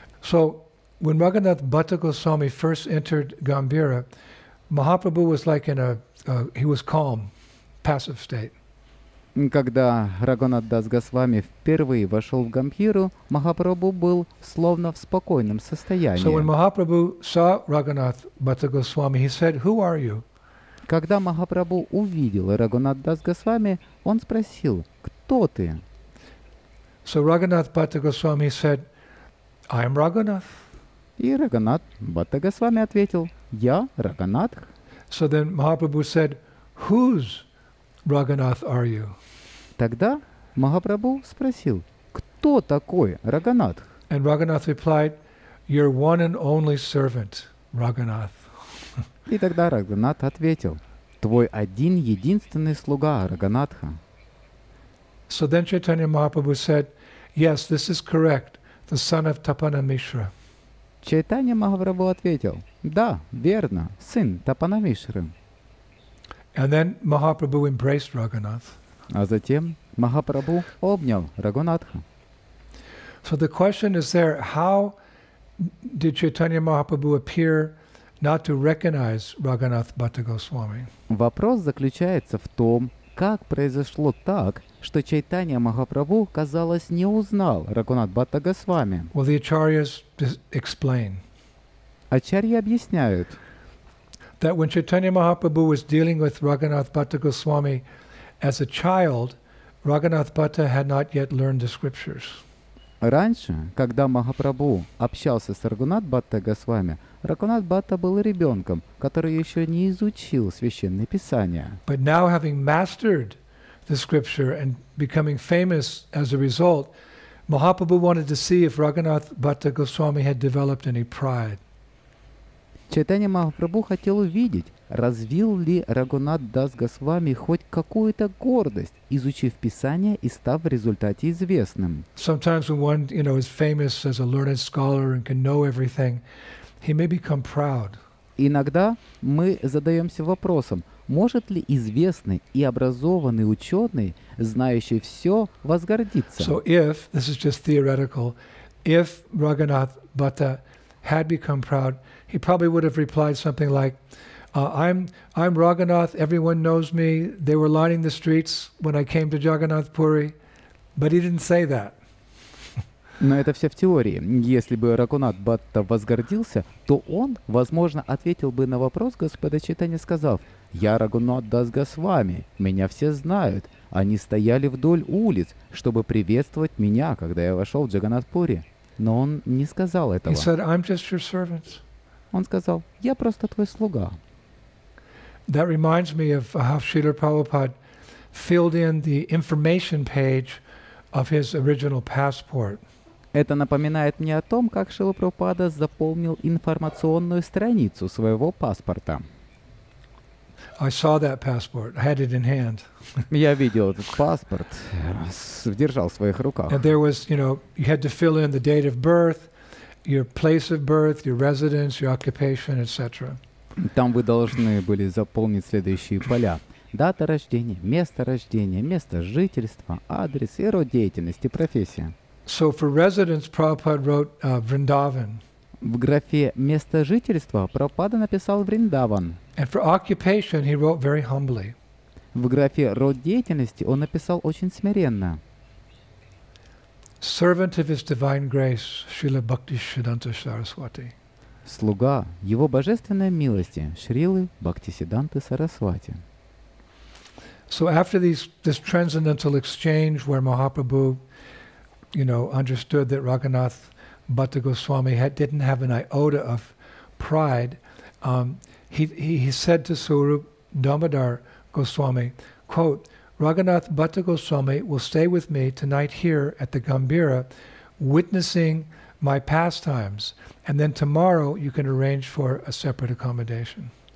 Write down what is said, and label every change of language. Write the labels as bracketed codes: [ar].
[en] So when Raghunath Bhatta Goswami first entered Gambhira, Mahaprabhu was like in he was calm. Passive state. [ru] Когда Рагунат Дас Госвами впервые вошел в Гамбхиру, Махапрабху был словно в спокойном состоянии. [en] So when Mahaprabhu saw Raghunath Bhatta Goswami, he said, "Who are you?" [ru] Когда Махапрабху увидел Рагунат Дас Госвами, он спросил, "Кто ты?" [en] So Raghunath Bhatta Goswami said, "I am Raghunath." [ru] И Рагунат Бхатта Госвами ответил, "Я Рагунатх." [en] So then Mahaprabhu said, "Whose Raghunath, are you?" [ru] Тогда Махапрабху спросил, кто такой Рагунатх? [en] And Raghunath replied, "Your one and only servant, Raghunath." [ru] И тогда Рагунат ответил, твой один единственный слуга Рагунатха. [en] So then Chaitanya Mahaprabhu said, "Yes, this is correct. The son of Tapana Mishra." [ru] Чайтанья Махапрабху ответил, да, верно, сын Тапана Мишры. [en] And then Mahaprabhu embraced Raghunath. [ru] А затем Махапрабху обнял Рагунатха. [en] So the question is there, how did Chaitanya Mahaprabhu appear not to recognize Raghunath Bhatta Goswami? [ru] Вопрос заключается в том, как произошло так, что Чайтанья Махапрабху, казалось, не узнал Рагунат Бхатта Госвами. [en] Well, the Acharyas explain. [ru] Ачарьи объясняют. [en] That when Chaitanya Mahaprabhu was dealing with Raghunath Bhatta Goswami as a child, Raghunath Bhatta had not yet learned the scriptures. [ru] Раньше, когда Махапрабху общался с Рагунат Бхатта Госвами, Рагунат Бхатта был ребенком, который еще не изучил священные писания. [en] But now, having mastered the scripture and becoming famous as a result, Mahaprabhu wanted to see if Raghunath Bhatta Goswami had developed any pride. [ru] Чайтанья Махапрабху хотел увидеть, развил ли Рагунат Дас Госвами хоть какую-то гордость, изучив Писание и став в результате известным. [en] Sometimes when one, you know, is famous as a learned scholar and can know everything, he may become proud. [ru] Иногда мы задаемся вопросом, может ли известный и образованный ученый, знающий все, возгордиться? [en] So if, this is just theoretical, if Raghunath Bhatta had become proud, he probably would have replied something like, I'm Raghunath, everyone knows me, they were lining the streets when I came to Jagannath Puri, but he didn't say that. [ru] Но это все в теории. Если бы Рагунат Бхатта возгордился, то он, возможно, ответил бы на вопрос Господа Чайтанья, сказав: «Я Рагунат Дас Госвами, меня все знают. Они стояли вдоль улиц, чтобы приветствовать меня, когда я вошел в Джаганатпури». Но он не сказал этого. [en] He said, I'm just your servant. [ru] Он сказал: «Я просто твой слуга». [en] That reminds me of how Srila Prabhupada filled in the information page of his original passport. [ru] Это напоминает мне о том, как Шрила Прабхупада заполнил информационную страницу своего паспорта. [en] I saw that passport. I had it in hand. [ru] Я видел этот паспорт, держал в своих руках. [en] And there was, you know, you had to fill in the date of birth, your place of birth, your residence, your occupation, etc. [ru] Там вы должны были заполнить следующие поля: дата рождения, место жительства, адрес и род деятельности, профессия. [en] So for residence, Prabhupada wrote Vrindavan. [ru] В графе «место жительства» Прабхупада написал Вриндаван. [en] And for occupation, he wrote very humbly. [ru] В графе «род деятельности» он написал очень смиренно: [en] Servant of His Divine Grace, Srila Bhakti Siddhanta Saraswati. [ru] Слуга Его Божественной Милости, Шрилы Бхактисиддханты Сарасвати. [en] So after this transcendental exchange where Mahaprabhu, you know, understood that Raghunath Bhatta Goswami didn't have an iota of pride, he said to Swarup Damodar Goswami, quote, Raghunath Bhatta Goswami will stay with me tonight here at the Gambira, witnessing my pastimes, and then tomorrow you can arrange for a separate accommodation.